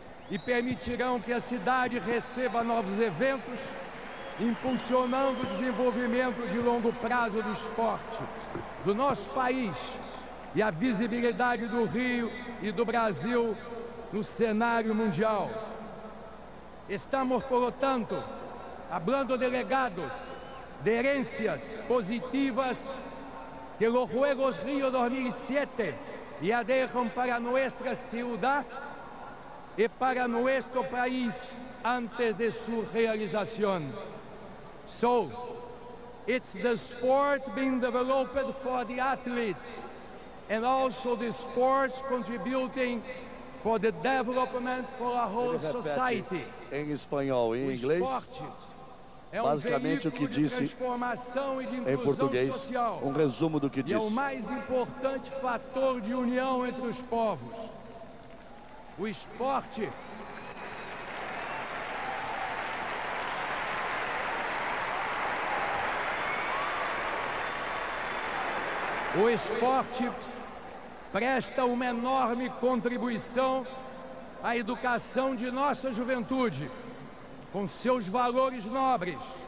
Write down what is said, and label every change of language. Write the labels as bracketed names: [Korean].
[Portuguese] e permitirão que a cidade receba novos eventos, impulsionando o desenvolvimento de longo prazo do esporte do nosso país e a visibilidade do Rio e do Brasil no cenário mundial. [Spanish] Estamos, portanto, hablando de legados, de herências positivas que los Juegos Rio 2007 ya dejan para nuestra ciudad y para nuestro país antes de su realización. [English] So, it's the sport being developed for the athletes and also the sports contributing for the development for our whole society. [Portuguese] Em espanhol e em inglês, basicamente o que disse em português, um resumo do que disse. É o mais importante fator de união entre os povos. O esporte presta uma enorme contribuição à educação de nossa juventude, com seus valores nobres,